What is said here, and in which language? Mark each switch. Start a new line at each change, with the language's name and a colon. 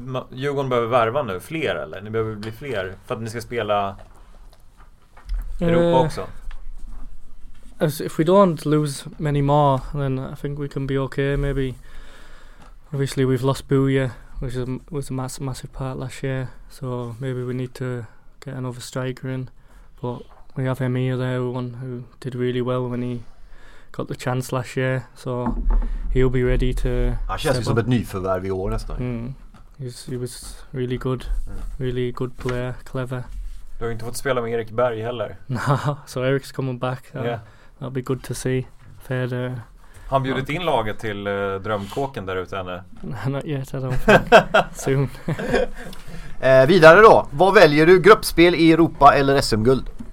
Swedish: Djurgården behöver värva nu, fler eller? Ni behöver bli fler för att ni ska spela Europa också.
English: If we don't lose many more, then I think we can be okay. Maybe, obviously, we've lost Bouya, which was a massive part last year. So maybe we need to get another striker in. But we have Emir there, one who did really well when he got the chance last year. So he'll be ready to.
Swedish: Känns som ett nyförvärv i år nästan.
English: He was really good, really good player, clever.
Swedish: Du har inte fått spela med Erik Berg heller.
English: So Erik's coming back. That'll be good to see. Fair,
Swedish: han bjudit in laget till drömkåken där ute ännu?
English: Not yet, I don't think. Soon.
Swedish: Vidare då. Vad väljer du? Gruppspel i Europa eller SM-guld?